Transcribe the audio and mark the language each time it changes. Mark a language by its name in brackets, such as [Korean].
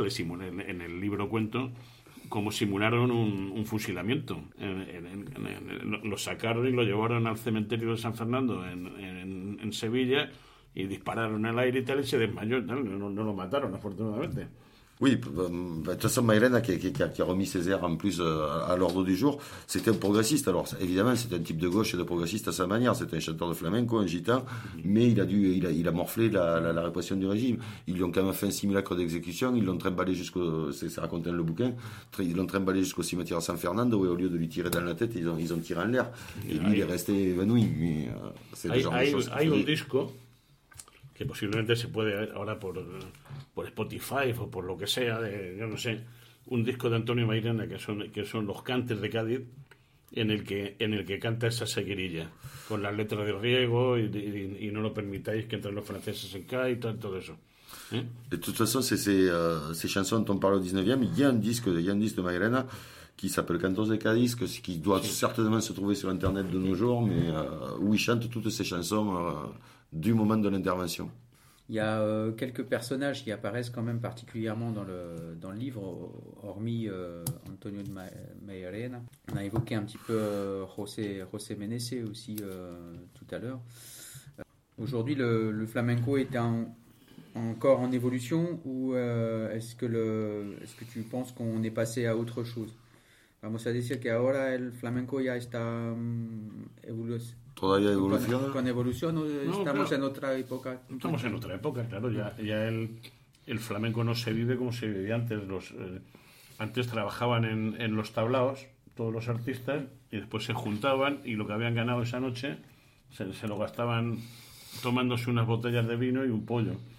[Spanish] De Simón, en el libro cuento cómo simularon un fusilamiento, lo sacaron y lo llevaron al cementerio de San Fernando en Sevilla y dispararon al aire y tal, y se desmayó, no lo mataron afortunadamente. [French] Oui, de toute façon, Mairena, qui a remis ses airs en plus à l'ordre du jour, c'était un progressiste. Alors, évidemment, c'était un type de gauche et de progressiste à sa manière. C'était un chanteur de flamenco, un gitan, mais il a morflé la répression du régime. Ils lui ont quand même fait un simulacre d'exécution. Ils l'ont trimballé jusqu'au, c'est raconté dans le bouquin, ils l'ont trimballé jusqu'au cimetière San Fernando, où au lieu de lui tirer dans la tête, ils ont tiré en l'air. Et lui, il est resté évanoui. Mais c'est le genre de choses. Il y a un disque [Spanish] que possiblement se peut ahora por Spotify o por lo que sea, yo no sé, un disco de Antonio Mairena que son los cantes de Cádiz, en el que canta esa seguirilla con las letras de Riego y no lo permitáis que entren los franceses en Cádiz y todo eso. [French] De toute façon, ces chansons dont on parle au 19e, il y a un disque de Mairena qui s'appelle Cantos de Cádiz, qui doit certainement se trouver sur internet de nos jours, mais où il chante toutes ces chansons du moment de l'intervention. Il y a quelques personnages qui apparaissent quand même particulièrement dans le livre, hormis Antonio de Mairena. On a évoqué un petit peu José Meneses aussi tout à l'heure. Aujourd'hui, le flamenco est encore en évolution, ou est-ce que tu penses qu'on est passé à autre chose? [Spanish] Vamos a decir que ahora el flamenco ya está evolucionando. ¿Todavía evoluciona? ¿Con evolución o estamos en otra época? Estamos en otra época, claro. Ya el flamenco no se vive como se vivía antes. Antes trabajaban en los tablaos todos los artistas y después se juntaban y lo que habían ganado esa noche se lo gastaban tomándose unas botellas de vino y un pollo.